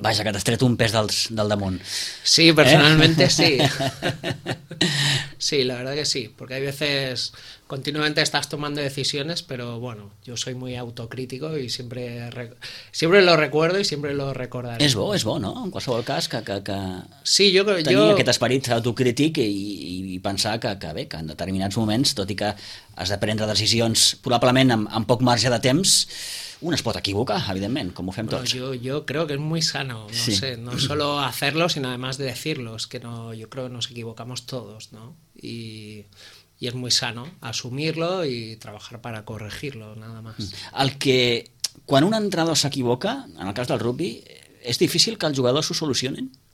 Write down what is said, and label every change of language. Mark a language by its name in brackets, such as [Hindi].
[Catalan] Vaja, que t'has tret un pes del damunt. [Spanish] Sí, personalmente sí. Sí, la verdad que sí, porque hay veces continuamente estás tomando decisiones, pero bueno, yo soy muy autocrítico y siempre lo recuerdo y siempre lo recordaré. [Catalan] És bo, ¿no? En qualsevol cas que sí, jo tenir jo... aquest esperit autocrític i pensar que bé, que en determinats moments, tot i que has de prendre decisions probablement amb poc marge de temps, un es pot equivocar, evidentment, com ho fem tots. [Spanish] Yo creo que es muy sano, no sé, no solo hacerlo, sino además de decirlo, es que no, yo creo que nos equivocamos todos, ¿no? Y es muy sano asumirlo y trabajar para corregirlo, nada más. [Catalan] El que, quan un entrenador s'equivoca, en el cas del rugby, ¿és difícil que els jugadors ho solucionin?